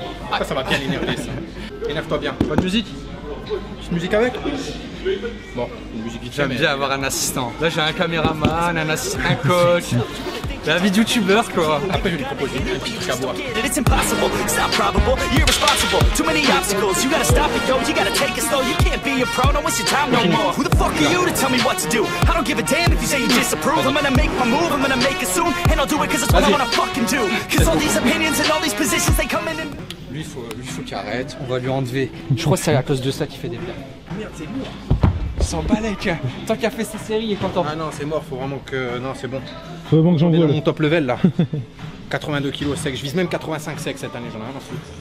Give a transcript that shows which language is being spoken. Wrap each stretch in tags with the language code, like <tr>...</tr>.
<fr>Ah, ça va bien énerver ça. Énerve-toi bien. Pas de musique? Une musique avec? Bon, une musique vite. J'aime bien avoir un assistant. Là, j'ai un caméraman, un coach. La vie de youtubeur quoi. Après, je vais lui proposer une petite truc à boire.</fr> <en>It's impossible, it's not probable, you're irresponsible. Too many obstacles, you gotta stop it, yo. You gotta take it slow, you can't be a pro, no waste your time no more. Who the fuck are you to tell me what to do? I don't give a damn if you say you disapprove. I'm gonna make my move, I'm gonna make it soon. And I'll do it cause it's what I wanna fucking do. Cause all these opinions and all these positions, they come in and...</en> <fr>Lui faut qu'il arrête, on va lui enlever. Je crois que c'est à cause de ça qu'il fait des blagues. Merde, c'est lourd. Il s'en bat, tant qu'il a fait ses séries, il est content. Ah non, c'est mort, faut vraiment que... Non, c'est bon. Faut vraiment que j'en mon top level là. 82 kilos sec, je vise même 85 sec cette année, j'en ai rien à foutre.</fr>